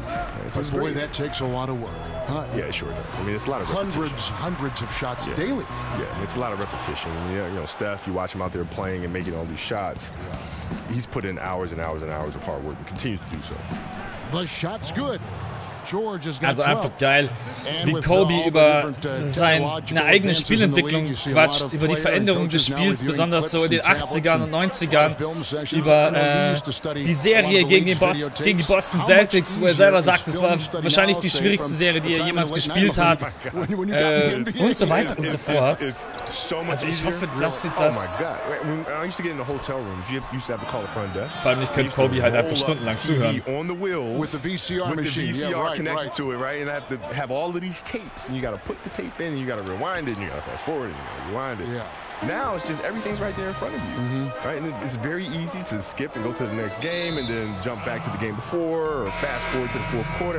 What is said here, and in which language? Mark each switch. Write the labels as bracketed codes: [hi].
[en] Right? So but boy, that takes a lot of work, huh? Yeah, it sure does. I mean, it's a lot of hundreds of shots daily. Yeah, I mean, it's a lot of repetition. Steph, you watch him out there playing and making all these shots. Yeah. He's put in hours and hours and hours of hard work and continues to do so. The shot's good. George has got [de] also einfach geil, wie Kobe über seine eigene Spielentwicklung quatscht, über die Veränderung des Spiels, besonders so in den 80ern und 90ern, über die Serie gegen die Boston Celtics, wo er selber sagt, es war wahrscheinlich die schwierigste Serie, die er jemals gespielt hat, und so weiter und so fort. Also ich hoffe, dass sie das... Vor allem, ich könnte Kobe halt einfach stundenlang zuhören. [en] Connected to it, right? And I have to have all of these tapes, and you got to put the tape in, and you got to rewind it, and you got to fast forward, and you got to rewind it. Yeah. Now it's just everything's right there in front of you, right? And it's very easy to skip and go to the next game, and then jump back to the game before, or fast forward to the fourth quarter.